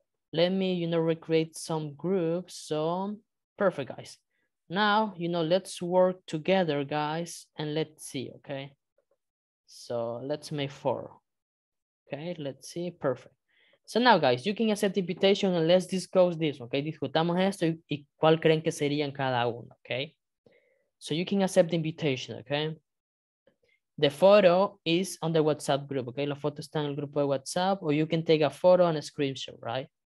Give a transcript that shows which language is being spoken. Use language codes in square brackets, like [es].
[en] Let me, you know, recreate some groups. So perfect, guys. Now, you know, let's work together, guys, and let's see, okay? So let's make four. Okay, let's see. Perfect. So now, guys, you can accept the invitation and let's discuss this, okay? [es] Discutamos esto y cuál creen que serían cada uno, okay? [en] So you can accept the invitation, okay? The photo is on the WhatsApp group, okay? [es] La foto está en el grupo de WhatsApp, [en] or you can take a photo and a screenshot, right?